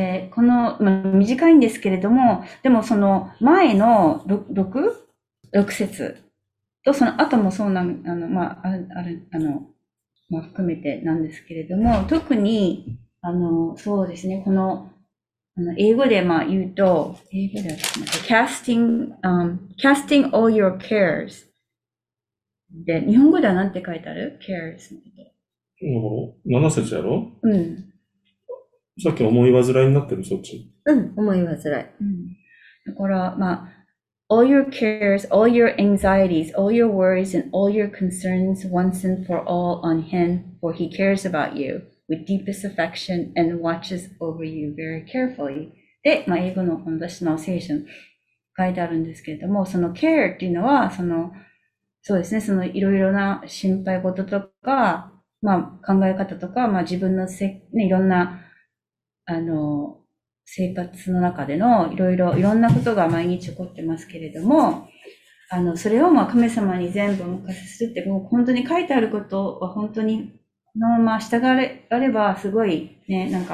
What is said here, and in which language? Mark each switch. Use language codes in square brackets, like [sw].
[ja] この、短いんですけれども、でもその前の6節とその後もそうなん、あの、まあ、ある、あの、まあ、含めてなんですけれども、特に、そうですね、英語で言うと、英語で、 [en] casting all your cares。 [ja] で、日本語では何て書いてある？ cares のこと。 7節やろ？さっき思い煩いになってる、そっち。思い煩い。 [en] だから、all your cares, all your anxieties, all your worries, and all your concerns once and for all on him, for he cares about you with deepest affection and watches over you very carefully. [ja] で、英語の私の聖書書いてあるんですけれども、その care っていうのは、そうですね。いろいろな心配事とか、考え方とか、自分のいろんな、生活の中でのいろんなことが毎日起こってますけれども、それを神様に全部お任せするって、もう本当に書いてあることは本当に、このまま従われば、すごいね、